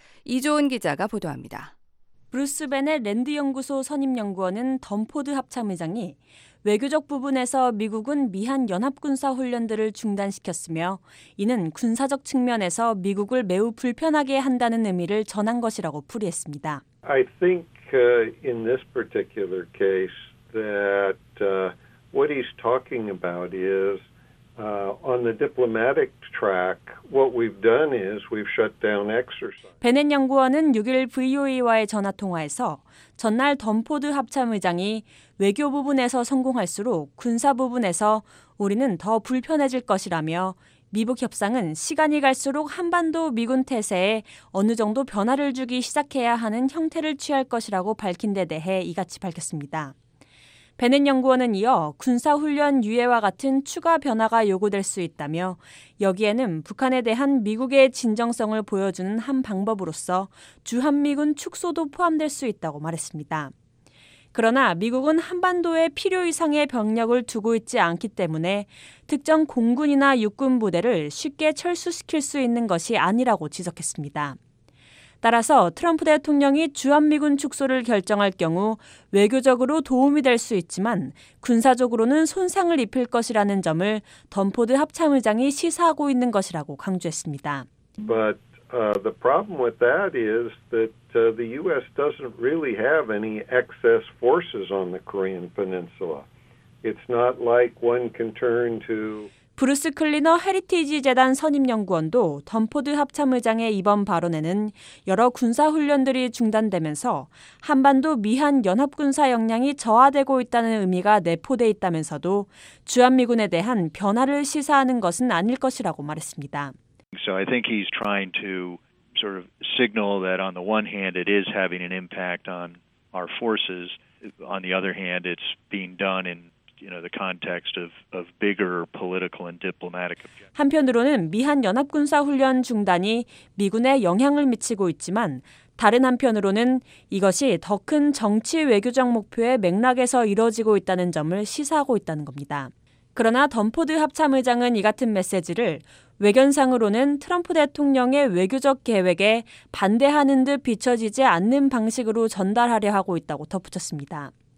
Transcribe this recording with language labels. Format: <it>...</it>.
<ko>이조은 기자가 보도합니다. 브루스 베넷 랜드연구소 선임연구원은 덤포드 합참의장이 외교적 부분에서 미국은 미한 연합군사훈련들을 중단시켰으며 이는 군사적 측면에서 미국을 매우 불편하게 한다는 의미를 전한 것이라고 풀이했습니다.</ko> <en>I think in this particular case that what he's talking about is on the diplomatic track what we've done is we've shut down exercise.</en> <ko>베넷 연구원은 6일 VOA와의 전화 통화에서 전날 덤포드 합참 의장이 외교 부분에서 성공할수록 군사 부분에서 우리는 더 불편해질 것이라며 미북 협상은 시간이 갈수록 한반도 미군 태세에 어느 정도 변화를 주기 시작해야 하는 형태를 취할 것이라고 밝힌 데 대해 이같이 밝혔습니다. 베넷 연구원은 이어 군사훈련 유예와 같은 추가 변화가 요구될 수 있다며 여기에는 북한에 대한 미국의 진정성을 보여주는 한 방법으로서 주한미군 축소도 포함될 수 있다고 말했습니다. 그러나 미국은 한반도에 필요 이상의 병력을 두고 있지 않기 때문에 특정 공군이나 육군 부대를 쉽게 철수시킬 수 있는 것이 아니라고 지적했습니다. 따라서 트럼프 대통령이 주한미군 축소를 결정할 경우 외교적으로 도움이 될 수 있지만 군사적으로는 손상을 입힐 것이라는 점을 덤포드 합참의장이 시사하고 있는 것이라고 강조했습니다.</ko> <en>But. The problem with that is that the U.S. doesn't really have any excess forces on the Korean Peninsula. It's not like one can turn to.</en> <ko>브루스 클리너 헤리티지 재단 선임 연구원도 덤포드 합참의장의 이번 발언에는 여러 군사 훈련들이 중단되면서 한반도 미한 연합 군사 역량이 저하되고 있다는 의미가 내포돼 있다면서도 주한 미군에 대한 변화를 시사하는 것은 아닐 것이라고 말했습니다.</ko> <en>So I think he's trying to sort of signal that on the one hand it is having an impact on our forces, on the other hand it's being done in you know the context of bigger political and diplomatic objectives.</en> <ko>한편으로는 미한 연합 군사 훈련 중단이 미군에 영향을 미치고 있지만 다른 한편으로는 이것이 더 큰 정치 외교적 목표의 맥락에서 이루어지고 있다는 점을 시사하고 있다는 겁니다. 그러나 덤포드 합참의장은 이 같은 메시지를 외견상으로는 트럼프 대통령의 외교적 계획에 반대하는 듯 비춰지지 않는 방식으로 전달하려 하고 있다고 덧붙였습니다.</ko>